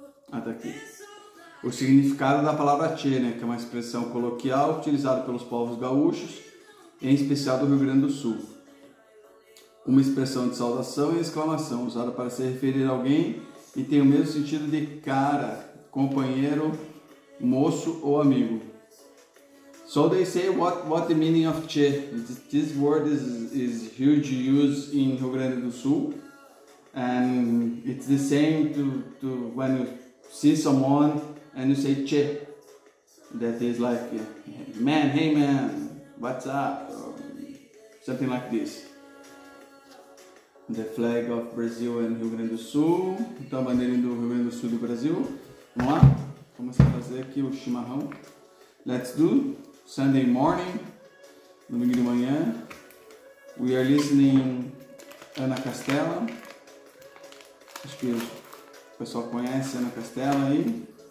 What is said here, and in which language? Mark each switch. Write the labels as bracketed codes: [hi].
[pt] Aqui. O significado da palavra tchê, né, que é uma expressão coloquial utilizada pelos povos gaúchos, em especial do Rio Grande do Sul. Uma expressão de saudação e exclamação, usada para se referir a alguém e tem o mesmo sentido de cara, companheiro, moço ou amigo. [en] So they say what the meaning of tchê. This word is huge use in Rio Grande do Sul. And it's the same to when you see someone and you say che, that is like man, hey man, what's up, or something like this. The flag of Brazil and Rio Grande do Sul. [pt] Então a bandeirinha do Rio Grande do Sul do Brasil. Vamos lá, começar a fazer aqui o chimarrão. [en] Let's do Sunday morning, [pt] domingo de manhã. [en] We are listening Ana Castela. [pt] Acho que o pessoal conhece Ana Castela aí.